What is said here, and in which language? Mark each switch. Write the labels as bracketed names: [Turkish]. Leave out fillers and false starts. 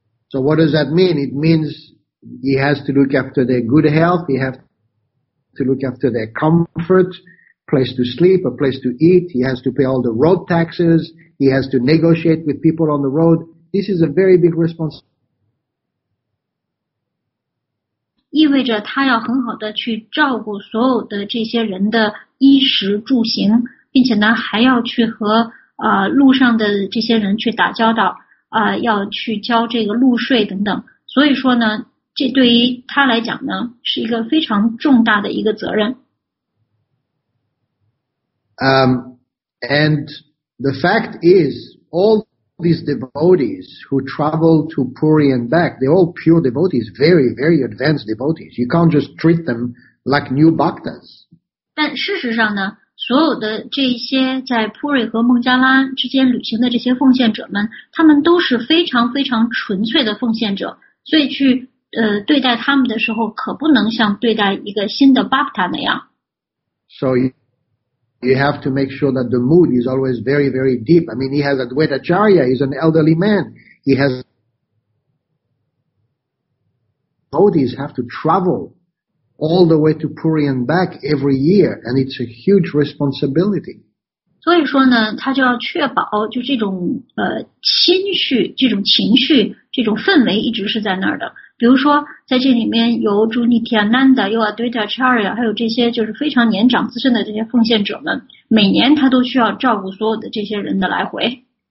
[English] So what does that mean? It means he has to look after their good health, he has to look after their comfort, place to sleep, a place to eat, he has to pay all the road taxes, he has to negotiate with people on the road. This is a very big responsibility. [Chinese] 意味着他要很好的去照顾所有的这些人的衣食住行，并且呢还要去和路上的这些人去打交道，要去交这个路税等等。所以说呢，这对于他来讲呢是一个非常重大的一个责任。 [English] And the fact is, all these devotees who travel to Puri and back, they're all pure devotees, very, very advanced devotees. You can't just treat them like new bhaktas. [Chinese] 但事实上呢，所有的这些在 Puri 和孟加拉之间旅行的这些奉献者们，他们都是非常非常纯粹的奉献者，所以去对待他们的时候，可不能像对待一个新的 bhakta 那样。 [English] So you have to make sure that the mood is always very, very deep. I mean, he has Advaita Acharya, he's an elderly man. He has... devotees have to travel all the way to Puri and back every year, and it's a huge responsibility. [Chinese] 所以说呢，他就要确保就这种心绪、这种情绪、这种氛围一直是在那儿的。比如说在这里面有朱尼提亚南达，有 Advaita Acharya， 还有这些就是非常年长资深的这些奉献者们，每年他都需要照顾所有的这些人的来回。